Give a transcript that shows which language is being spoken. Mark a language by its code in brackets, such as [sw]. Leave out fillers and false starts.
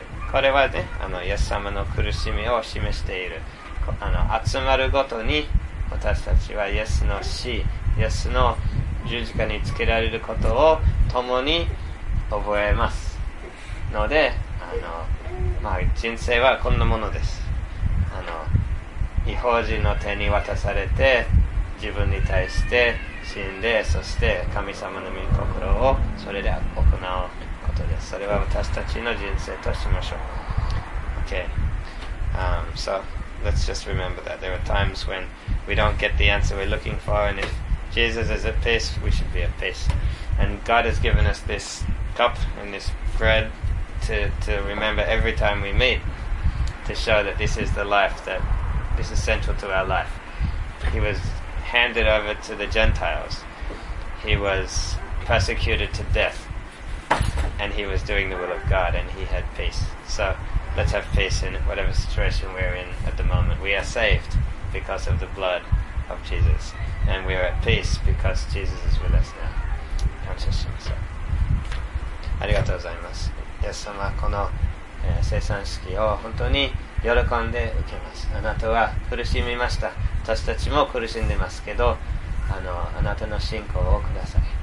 [ja] これはね、イエス様の苦しみを示している、集まるごとに私たちはイエスの死、イエスの十字架につけられることを共に覚えますので、まあ、人生はこんなものです。異邦人の手に渡されて、自分に対して死んで、そして神様の御心をそれで行うことです。それは私たちの人生としましょう。 [en] OK、So let's just remember that there are times when we don't get the answer we're looking for, and if Jesus is at peace, we should be at peace. And God has given us this cup and this bread to remember every time we meet, to show that this is the life, that this is central to our life. He was handed over to the Gentiles. He was persecuted to death, and he was doing the will of God, and he had peace. So let's have peace in whatever situation we're in at the moment. We are saved because of the blood of Jesus, and we are at peace because Jesus is with us now. [ja] 感謝しましょう。ありがとうございます。イエス様、この、聖餐式を本当に喜んで受けます。あなたは苦しみました。私たちも苦しんでますけど、あなたの信仰をください。